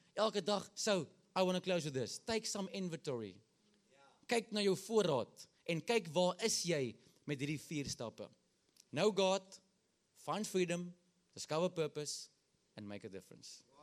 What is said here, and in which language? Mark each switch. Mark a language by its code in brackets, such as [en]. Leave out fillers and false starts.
[af] Elke dag, [en] so, I want to close with this. Take some inventory. [af] Kyk na jou voorraad. En kyk waar is jy met die 4 stappe. [en] Know God, find freedom, discover purpose, and make a difference.